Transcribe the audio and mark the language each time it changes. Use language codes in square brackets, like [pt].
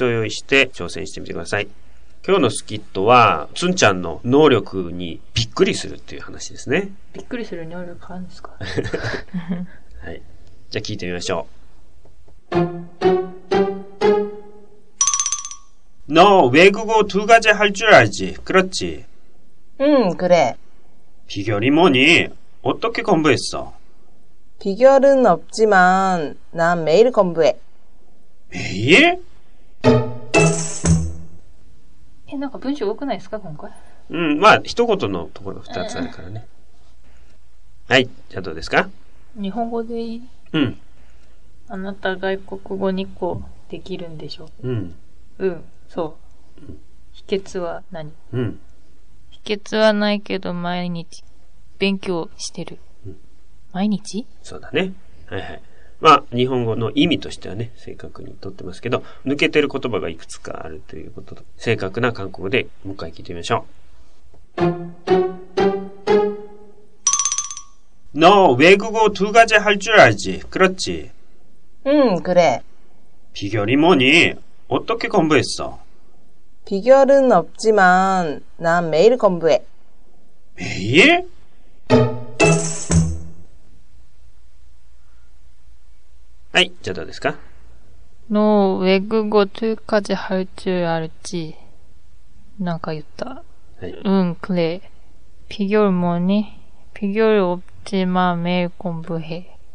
[ja] はい、じゃあつんちゃん、復習の時間ですね。はい。お金ちょっと貸してくれますか？トンチョンピルリルレ。それ間違ったものを覚えて、それじゃなくて正しく。ピリョチュルレ。うん、くれますか？よ。うん、お金貸してほしいってことですか？トン。うん。ピリョダラゴよ。はい、ということですね。じゃあ今日もディクテーションの時間ですね。リスナーの皆さんも紙と鉛筆を用意して挑戦してみてください。今日のスキットは、つんちゃんの能力にびっくりするっていう話ですね。びっくりする能力あるんですか？はい。じゃあ聞いてみましょう。 [ko] 너외국어두가지할줄알지그렇지 응그래 비결이뭐니어떻게공부했어 비결은없지만난매일공부해 매일 [ja] え、なんか文章多くないですか今回。うん、まあ一言のところが二つあるからね。はい、じゃあどうですか。日本語でいい。うん。あなた外国語2個できるんでしょう。うん。うん、そう。秘訣は何？うん。秘訣はないけど毎日勉強してる。うん。毎日？そうだね。はいはい。まあ日本語の意味としてはね、正確にとってますけど、抜けてる言葉がいくつかあるということと、正確な韓国語でもう一回聞いてみましょう。 [ko] 너외국어두가지할줄알지그렇지 응그래 비결이뭐니어떻게공부했어 비결은없지만난매일공부해 매일 [ja] はい、じゃあどうですか。 [ko] の、외국어두가지할줄알지。 [ja] なんか言った。はい、うん、くれ。 [ko] 비결뭐니비결없지만매일공부해。